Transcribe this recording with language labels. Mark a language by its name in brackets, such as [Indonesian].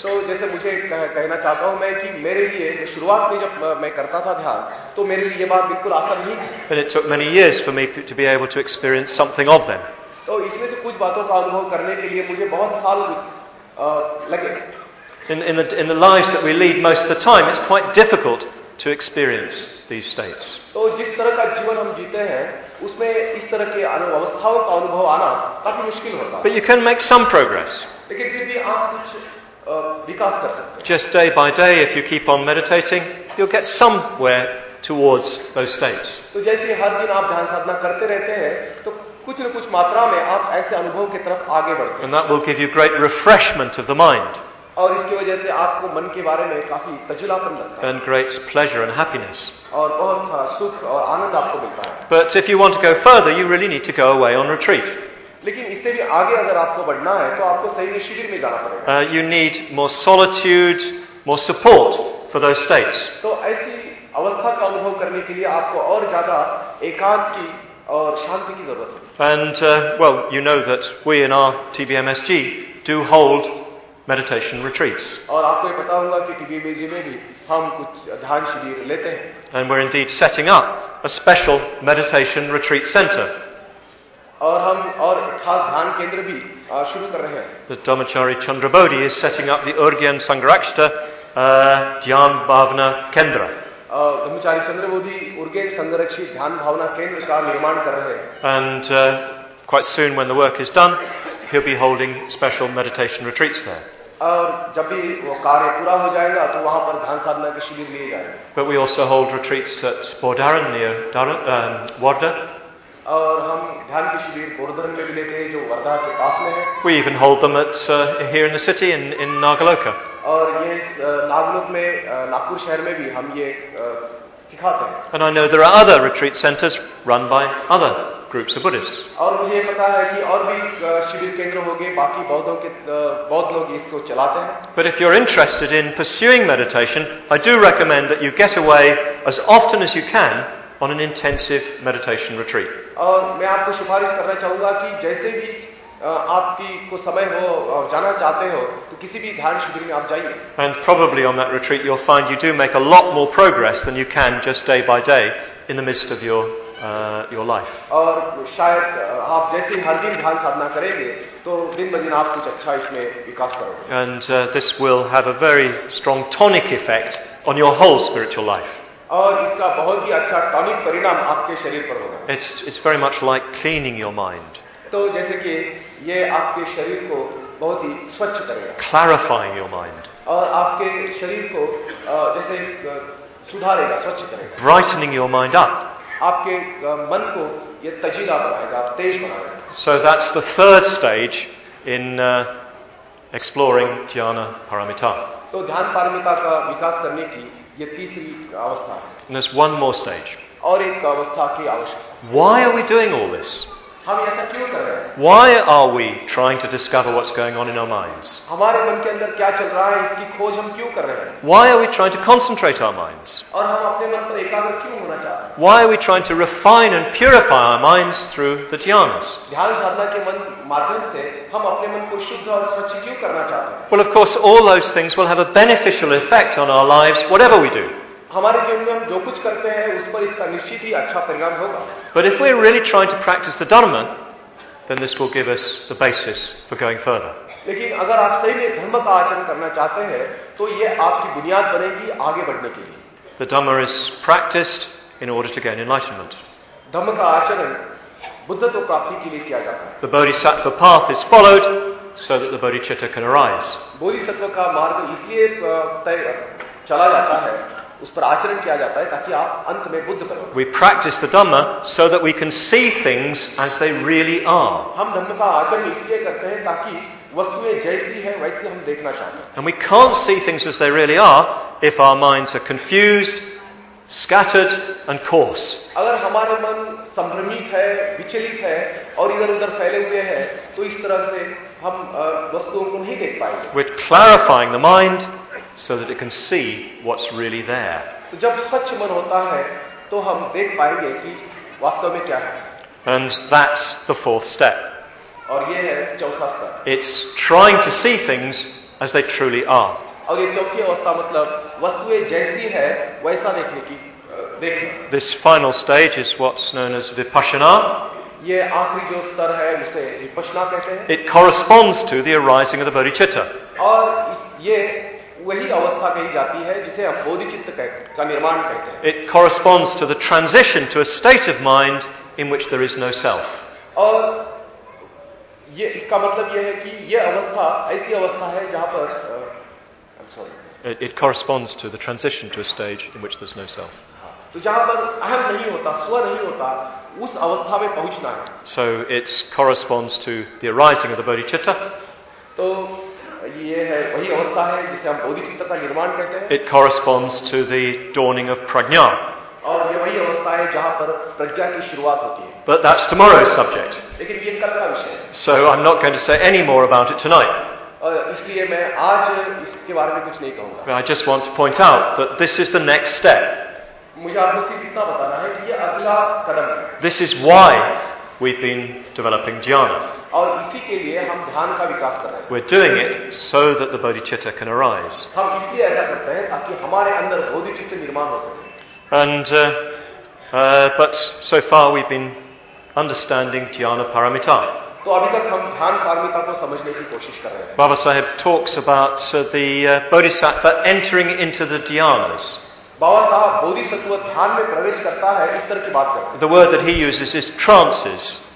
[Hindi] तो जैसे मुझे कहना चाहता हूँ मैं कि मेरे लिए शुरुआत में जब मैं करता था ध्यान तो मेरे लिए ये बात बिल्कुल आसान नहीं थी. [English] But it took many years for me to be able to experience something of them. [Hindi] तो इसमें से कुछ बातों का अनुभव करने के लिए मुझे बहुत साल लगे. [English] In the lives that we lead most of the time, it's quite difficult to experience these states. [Hindi] तो जिस तरह का जीवन हम जीते हैं, उसमें इस तरह के अवस्थाओं का अनुभव आना काफी मुश्किल होता है. [English] But you can make some progress. [Hindi] लेकिन फिर भी आप कुछ विकास कर सकते हैं. [English] Just day by day, if you keep on meditating, you'll get somewhere towards those states. [Hindi] तो जैसे हर दिन आप ध्यान साधना करते रहते हैं, तो कुछ न कुछ मात्रा में आप ऐसे अनुभव की तरफ आगे बढ़ते हैं. [English] And that will give you great refreshment of the mind. [Hindi] और इसकी वजह से आपको मन के बारे में काफी तजुलापन लगता है. [English] And great pleasure and happiness. [Hindi] और बहुत सारा सुख और आनंद आपको मिलता है. [English] But if you want to go further, you really need to go away on retreat. [Hindi] लेकिन इससे भी आगे अगर आपको बढ़ना है, तो आपको सही में शिविर में जाना पड़ेगा. [English] You need more solitude, more support for those states. [Hindi] तो ऐसी अवस्था का अनुभव करने के लिए आपको और ज्यादा एकांत की और शांति की जरूरत है. [English] And well, you know that we in our TBMSG do hold meditation retreats. [Hindi] और आपको ये पता होगा कि TBMSG में भी हम कुछ ध्यान शिविर लेते हैं. [English] And we're indeed setting up a special meditation retreat center. [Hindi] और हम और खास ध्यान केंद्र भी शुरू कर रहे हैं. [English] The Dhammachari Chandrabodhi is setting up the Urgyen Sangharakshita Dhyan Bhavana Kendra. [Hindi] Dhammachari Chandrabodhi Urgyen Sangharakshita Dhyan Bhavana Kendra का निर्माण कर रहे हैं. [English] And quite soon, when the work is done, he'll be holding special meditation retreats there. [Hindi] और जब भी वो कार्य पूरा हो जाएगा, तो वहाँ पर ध्यान साधना के शिविर लिए जाएंगे. [English] But we also hold retreats at Bordaran near Wardha. [Hindi] और हम ध्यान के शिविर बोर्धरन में भी लेते हैं, जो वर्धा के पास में है. [English] We even hold them at here in the city in Nagaloka. [Hindi] और ये नागलोक में, नागपुर शहर में भी हम ये सिखाते हैं. [English] And I know there are other retreat centers run by other groups of Buddhists. [Hindi] और मुझे पता है कि और भी शिविर केंद्र होंगे, बाकी बौद्धों के बौद्ध लोग इसको चलाते हैं. [English] But if you're interested in pursuing meditation, I do recommend that you get away as often as you can on an intensive meditation retreat. [Hindi] और मैं आपको सिफारिश करना चाहूंगा कि जैसे भी आपकी को समय हो, जाना चाहते हो, तो किसी भी ध्यान शिविर में आप जाइए. [English] And probably on that retreat you'll find you do make a lot more progress than you can just day by day in the midst of your life. [Hindi] और शायद आप जैसे हर दिन ध्यान साधना करेंगे, तो दिन ब दिन आप कुछ अच्छा इसमें विकास करोगे. [English] And this will have a very strong tonic effect on your whole spiritual life. [Hindi] और इसका बहुत ही अच्छा टॉनिक परिणाम आपके शरीर पर होगा. [English] It's very much like cleaning your mind. [Hindi] तो जैसे कि ये आपके शरीर को बहुत ही स्वच्छ करेगा. [English] Clarifying your mind. [Hindi] और आपके शरीर को जैसे सुधारेगा, स्वच्छ करेगा. [English] Brightening your mind up. [Hindi] आपके मन को ये तजीला बनाएगा, तेज बनाएगा. [English] So that's the third stage in exploring Dhyana Paramita. [Hindi] तो ध्यान पारमिता का विकास करने की ये तीसरी अवस्था है. [English] And there's one more stage. [Hindi] और एक अवस्था की आवश्यकता. [English] Why are we doing all this? [Hindi] हम ऐसा क्यों कर रहे हैं? [English] Why are we trying to discover what's going on in our minds? [Hindi] हमारे मन के अंदर क्या चल रहा है, इसकी खोज हम क्यों कर रहे हैं? [English] Why are we trying to concentrate our minds? [Hindi] और हम अपने मन पर एकाग्र क्यों होना चाहते हैं? [English] Why are we trying to refine and purify our minds through the dhyanas? [Hindi] ध्यान साधना के माध्यम से हम अपने मन को शुद्ध और स्वच्छ क्यों करना चाहते हैं? [English] Well, of course, all those things will have a beneficial effect on our lives, whatever we do. [Hindi] हमारे जीवन में हम जो कुछ करते हैं, उस पर इसका निश्चित ही अच्छा परिणाम होगा. [English] But if we're really trying to practice the Dharma, then this will give us the basis for going further. [Hindi] लेकिन अगर आप सही में धर्म का आचरण करना चाहते हैं, तो ये आपकी बुनियाद बनेगी आगे बढ़ने के लिए. [English] The Dharma is practiced in order to gain enlightenment. [Hindi] धर्म का आचरण बुद्धत्व प्राप्ति के लिए किया जाता है. [English] The Bodhisattva path is followed so that the Bodhicitta can arise. [Hindi] Bodhisattva का मार्ग इसलिए चला जाता है, उस पर आचरण किया जाता है, ताकि आप अंत में बुद्ध बनो. [English] We practice the Dhamma so that we can see things as they really are. [Hindi] हम धर्म का आचरण इसलिए करते हैं ताकि वस्तुएं जैसी हैं वैसी हम देखना चाहते हैं. [English] And we can't see things as they really are if our minds are confused, scattered and coarse. [Hindi] अगर हमारा मन संभ्रमित है, विचलित है और इधर उधर फैले हुए हैं, तो इस तरह से हम वस्तुओं को नहीं देख पाएंगे. [English] With clarifying the mind, so that it can see what's really there. [Hindi] तो जब स्वच्छ मन होता है, तो हम देख पाएंगे कि वास्तव में क्या है. [English] And that's the fourth step. [Hindi] और ये है चौथा स्तर. [English] It's trying to see things as they truly are. [Hindi] और ये चौथी अवस्था मतलब वस्तुएं जैसी है वैसा देखने की देखना. [English] This final stage is what's known as vipassana. [Hindi] ये आखिरी जो स्तर है उसे विपश्यना कहते हैं. [English] It corresponds to the arising of the bodhicitta. [Hindi] और ये वही अवस्था कही जाती है जिसे हम बोधिचित्त का निर्माण कहते हैं. [English] It corresponds to the transition to a state of mind in which there is no self. [Hindi] और ये इसका मतलब ये है कि ये अवस्था ऐसी अवस्था है जहाँ पर [English] It corresponds to the transition to a stage in which there's no self. [Hindi] तो जहाँ पर अहम नहीं होता, स्व नहीं होता, उस अवस्था में पहुँचना है. [English] So it corresponds to the arising of the bodhicitta. [Hindi] तो ये है वही अवस्था है जिसे हम बोधिचित्त का निर्माण कहते हैं. [English] It corresponds to the dawning of prajna. [Hindi] और ये वही अवस्था है जहाँ पर प्रज्ञा की शुरुआत होती है. [English] But that's tomorrow's subject. [Hindi] लेकिन ये कल का विषय है. [English] So I'm not going to say any more about it tonight. [Hindi] इसलिए मैं आज इसके बारे में कुछ नहीं कहूंगा. [English] I just want to point out that this is the next step. [Hindi] मुझे आपको सिर्फ इतना बताना है कि ये अगला कदम है. [English] This is why we've been developing jhana. [Hindi] और इसी के लिए हम ध्यान का विकास कर रहे हैं. [English] We're doing it so that the bodhicitta can arise. [Hindi] हम इसलिए ऐसा करते हैं ताकि हमारे अंदर बोधिचित्त निर्माण हो सके. [English] And but so far we've been understanding jhana paramita. [Hindi] तो अभी तक हम ध्यान पारमिता को समझने की कोशिश कर रहे हैं. [English] Baba Saheb talks about the bodhisattva entering into the dhyanas. [Hindi] बाबा साहब बोधिसत्व ध्यान में प्रवेश करता है इस तरह की बात करते हैं. [English] The word that he uses is trances.